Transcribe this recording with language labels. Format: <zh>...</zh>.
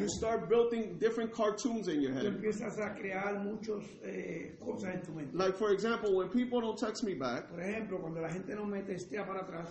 <en>you start building different cartoons in your head.</en> <es>Tú empiezas a crear muchos, cosas en tu mente.</es> <en>Like, for example, when people don't text me back,</en> <es>por ejemplo, cuando la gente no me textea para atrás,</es>